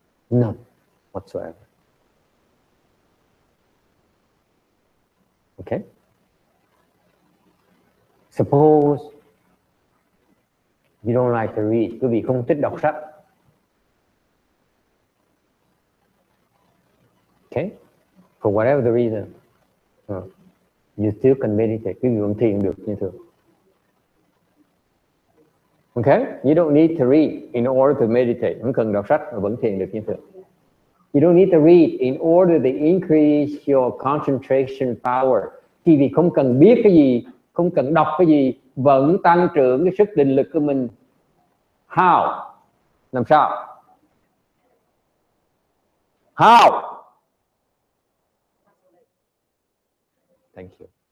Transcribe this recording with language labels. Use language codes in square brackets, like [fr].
[en] None whatsoever. Okay? Suppose you don't like to read. [vi] Quý vị không thích đọc sách. [en] Okay? For whatever the reason, you still can meditate. [vi] Quý vị vẫn thiền được như thường. [en] Okay? You don't need to read in order to meditate. [vi] Không cần đọc sách mà vẫn thiền được như thường. [en] You don't need to read in order to increase your concentration power. [vi] Quý vị không cần biết cái gì, không cần đọc cái gì, vẫn tăng trưởng cái sức định lực của mình. [en] How? [vi] Làm sao? [en] How? Thank you.